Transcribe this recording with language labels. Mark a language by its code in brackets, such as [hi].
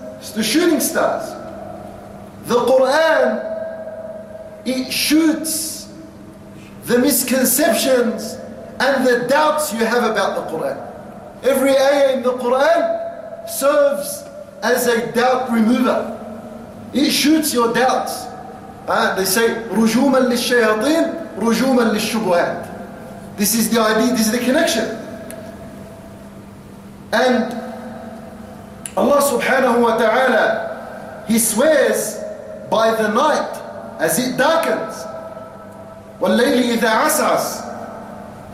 [en] It's the shooting stars. The Quran, it shoots the misconceptions and the doubts you have about the Quran. Every ayah in the Quran serves as a doubt remover. It shoots your doubts. They say, [ar] رُجُومًا لِلشَّيَاطِينَ رُجُومًا لِلشُّبُهَاتِ. [en] This is the idea, this is the connection. And Allah subhanahu wa ta'ala, He swears by the night as it darkens. [ar] وَاللَّيْلِ إِذَا عَسْعَسْ.